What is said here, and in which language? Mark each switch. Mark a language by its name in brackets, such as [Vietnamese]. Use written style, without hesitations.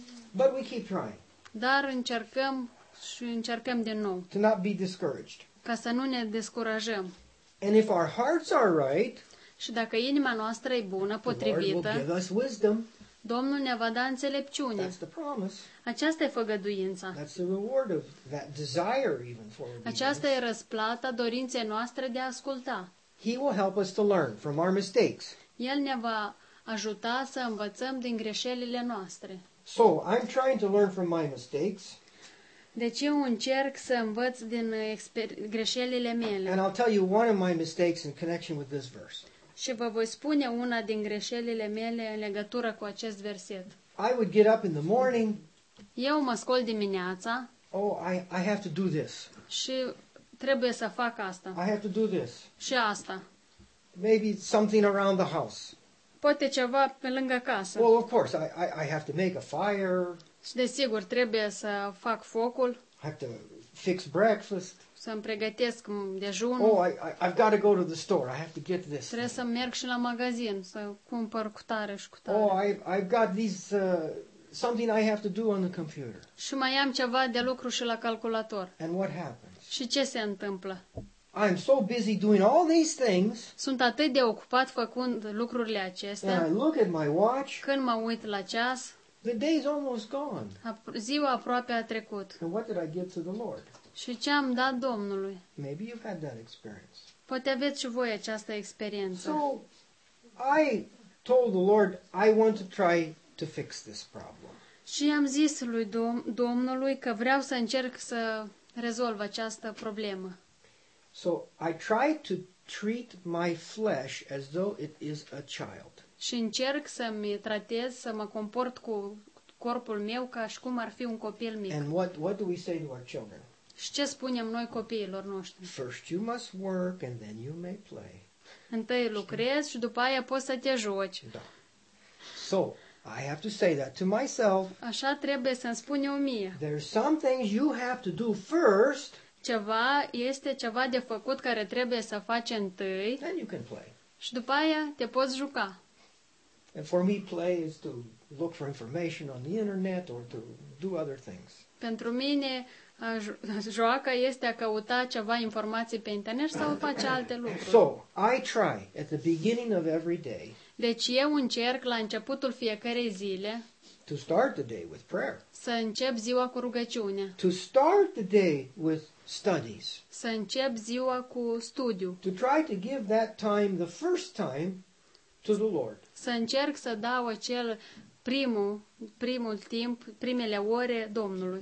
[English] But we keep trying. [Romanian] Dar încercăm și încercăm din nou. [English] To not be discouraged. [Romanian] Ca să nu ne descurajăm. [English] And if our hearts are right, [Romanian] și dacă inima noastră e bună, potrivită, [English] the Lord will give us wisdom. [Romanian] Domnul ne va da înțelepciune. [English] That's the promise. [Romanian] Aceasta e făgăduința. [English] That's the reward of that desire even for obedience. [Romanian] Aceasta e răsplata dorinței noastre de a asculta. [English] He will help us to learn from our mistakes. [Romanian] El ne va ajuta să învățăm din greșelile noastre. [English] So, I'm trying to learn from my mistakes. [Romanian] Deci eu încerc să învăț din greșelile mele. [English] And I'll tell you one of my mistakes in connection with this verse. [Romanian] Și vă voi spune una din greșelile mele în legătură cu acest verset. [English] I would get up in the morning. [Romanian] Eu mă scol dimineața. [English] Oh, I have to do this. [Romanian] Și trebuie să fac asta. [English] I have to do this. [Romanian] Și asta. [English] Maybe something around the house. [Romanian] Poate ceva pe lângă casă. [English] Well, of course, I have to make a fire. [Romanian] Desigur, trebuie să fac focul. [English] I have to fix breakfast. [Romanian] Să-mi pregătesc dejunul. [English] Oh, I've got to go to the store. I have to get this. [Romanian] Trebuie să merg și la magazin să cumpăr cutare și cutare. [English] Oh, I've got these something I have to do on the computer. [Romanian] Și mai am ceva de lucru și la calculator. [English] And what happens? [Romanian] Și ce se întâmplă? [English] I'm so busy doing all these things. [Romanian] Sunt atât de ocupat făcând lucrurile acestea. [English] And I look at my watch. [Romanian] Când mă uit la ceas. [English] The day's almost gone. [Romanian] Ziua aproape a trecut. [English] And what did I give to the Lord? [Romanian] Și ce am dat Domnului? [English] Maybe you've had that experience. [Romanian] Poate aveți și voi această experiență. [English] So I told the Lord I want to try to fix this problem. [Romanian] Și am zis lui Domnului că vreau să încerc să rezolv această problemă. [English] So I try to treat my flesh as though it is a child. [Romanian] Și încerc să mă comport cu corpul meu ca și cum ar fi un copil mic. [English] And what do we say to our children? [Romanian] Și ce spunem noi copiilor noștri? [English] First you must work and then you may play. [Romanian] Întâi lucrezi și după aia poți să te joci. Da. [English] So, I have to say that to myself. [Romanian] Așa trebuie să-mi spun eu mie. [English] There's some things you have to do first. [Romanian] Ceva este ceva de făcut care trebuie să faci întâi. [English] Then you can play. [Romanian] Și după aia te poți juca. [English] And for me, play is to look for information on the internet or to do other things. [Romanian] Pentru mine, joaca este a căuta ceva informații pe internet sau face alte lucruri. [English] So, I try at the beginning of every day. [Romanian] Deci eu încerc la începutul fiecărei zile. [English] To start the day with prayer. [Romanian] Să încep ziua cu rugăciune. [English] To start the day with studies. [Romanian] Să încep ziua cu studiu. [English] To try to give that time the first time to the Lord. [Romanian] Să încerc să dau acel primul timp, primele ore Domnului.